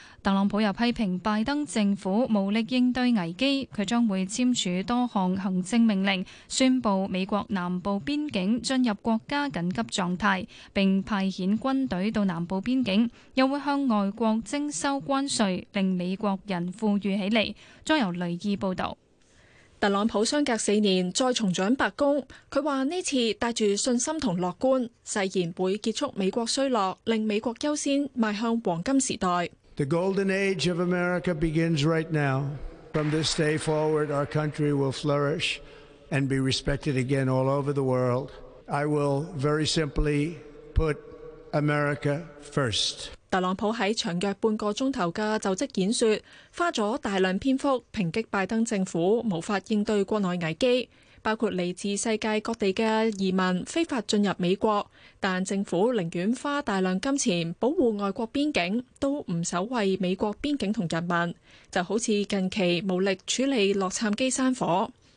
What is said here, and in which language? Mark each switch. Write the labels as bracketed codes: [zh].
[yue] 特朗普又批评拜登政府无力应对危机，他将会签署多项行政命令，宣布美国南部边境进入国家紧急状态，并派遣军队到南部边境，又会向外国征收关税，令美国人富裕起来。再由雷伊报道。特朗普相隔四年再重掌白宫，他说这次带着信心和乐观，誓言会结束美国衰落，令美国优先迈向黄金时代。 [en] The golden age of America begins right now. From this day forward, our country will flourish and be respected again all over the world. I will very simply put America first. [yue] 特朗普在长约半个钟头的就职演说，花了大量篇幅抨击拜登政府无法应对国内危机，包括来自世界各地的移民非法进入美国，但政府宁愿花大量金钱保护外国边境，都不守卫美国边境和人民，就好像近期无力处理洛杉矶山火。